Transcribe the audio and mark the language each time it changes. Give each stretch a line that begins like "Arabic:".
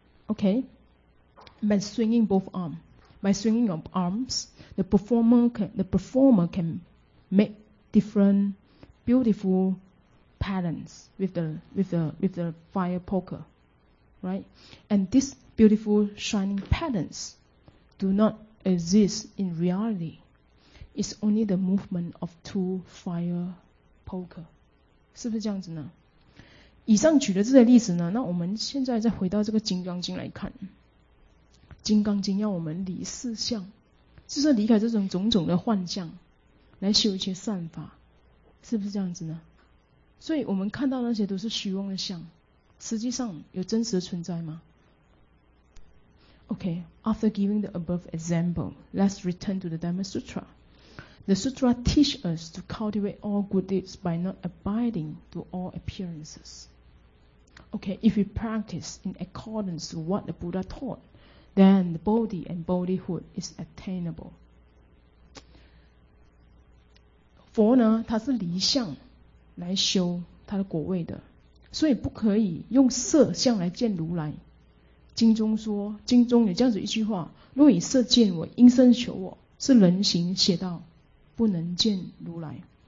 English: Okay, by swinging both arms, by swinging of arms, the performer can make different beautiful patterns with the fire poker, right? And these beautiful shining patterns do not exist in reality. It's only the movement of two fire poker.
Chinese: 是不是这样子呢？以上举的这些例子呢，那我们现在再回到这个金刚经来看。金刚经要我们离四相，就是离开这种种种的幻象，来修一些善法，是不是这样子呢？所以我们看到那些都是虚妄的相，实际上有真实的存在吗？
English: OK, after giving the above example, let's return to the Dhamma Sutra. The Sutra teach us to cultivate all good deeds by not abiding to all appearances. Okay, if we practice in accordance to what the Buddha taught,then the body and bodyhood is attainable.
Chinese: 佛呢，他是离相来修他的果位的，所以不可以用色相来见如来。经中说，经中有这样子一句话，若以色见我，应声求我，是人行邪道，不能见如来。